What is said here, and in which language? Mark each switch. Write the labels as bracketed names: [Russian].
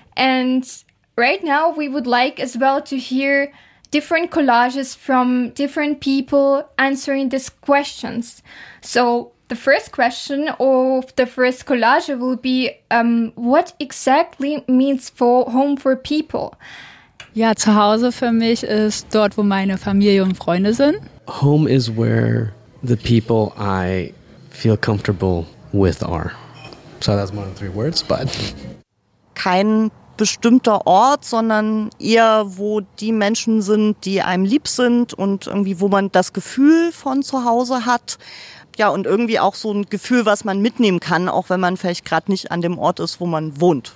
[English] And right now, we would like as well to hear different collages from different people answering these questions. So the first question of the first collage will be, what exactly means for home for people? [German] Ja, zu Hause für mich ist dort, wo meine Familie und Freunde sind. [English] Home is where the people I feel comfortable with are. So that's more than three words, but... [German] Kein bestimmter Ort, sondern eher, wo die Menschen sind, die einem lieb sind und irgendwie, wo man das Gefühl von zu Hause hat. Ja, und irgendwie auch so ein Gefühl, was man mitnehmen kann, auch wenn man vielleicht gerade nicht an dem Ort ist, wo man wohnt.